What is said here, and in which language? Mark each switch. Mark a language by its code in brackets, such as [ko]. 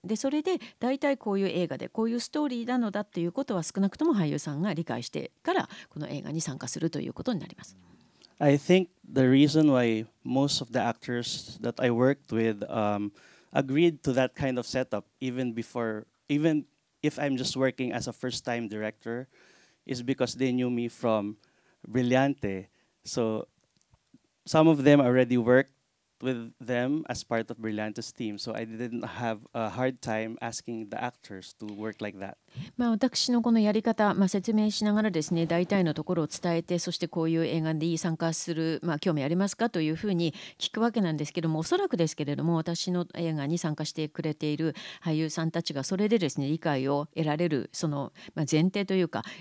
[ja] でそれでだいたいこういう映画でこういうストーリーなのだということは少なくとも俳優さんが理解してからこの映画に参加するということになります。 [en] I think the reason why most of the actors that I worked with agreed to that kind of setup even before, even if I'm just working as a first-time director, is because they knew me from Brillante. So some of them already worked with them as part of Brillante's team, so I didn't have a hard time asking the actors to work like that. [ja] まあ、私のこのやり方、まあ、説明しながらですね大体のところを伝えてそしてこういう映画に参加する、まあ、興味ありますかというふうに聞くわけなんですけどもおそらくですけれども私の映画に参加してくれている俳優さんたちがそれでですね理解を得られるその前提というか、